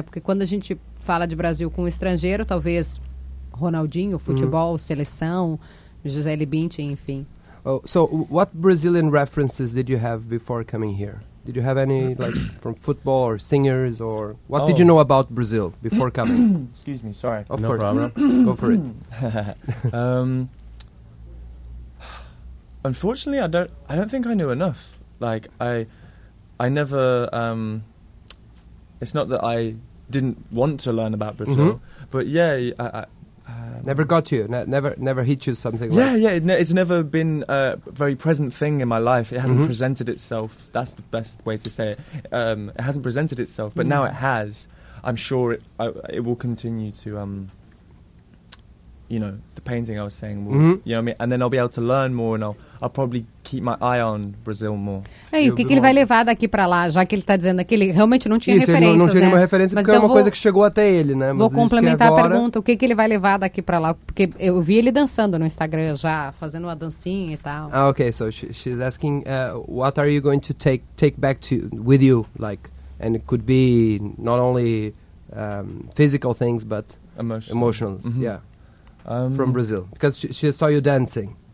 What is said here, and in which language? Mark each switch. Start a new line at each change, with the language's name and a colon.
Portuguese: Porque quando a gente fala de Brasil com um estrangeiro, talvez Ronaldinho, futebol, seleção, José Libinti, enfim.
English: Oh, so what Brazilian references did you have before coming here? Did you have any like from football or singers or what did you know about Brazil before coming? Excuse me, sorry. Of no course. Problem. Go for it. Unfortunately, I don't think I knew enough. Like I never it's not that I didn't want to learn about Brazil, mm-hmm. but yeah, I never got to you. Never hit you something. Yeah, like. Yeah. It's never been a very present thing in my life. It hasn't mm-hmm. presented itself. That's the best way to say it. It hasn't presented itself, but now it has. I'm sure it will continue to. You know, the painting I was saying. Will, mm-hmm. You know what I mean? And then I'll be able to learn more, and I'll probably keep my eye on Brazil more.
Portuguese: E aí, o que ele vai levar daqui para lá, já que ele está dizendo que ele realmente não tinha referência, Não tinha nenhuma referência, mas porque é uma coisa que chegou até ele, né? Vou complementar a pergunta, o que ele vai levar daqui para lá? Porque eu vi ele dançando no Instagram já, fazendo uma dancinha e tal.
English: Ah, ok, so she's asking, what are you going to take back to with you? Like, and it could be not only physical things, but emotional. Mm-hmm. Yeah. From Brazil, because she saw you dancing.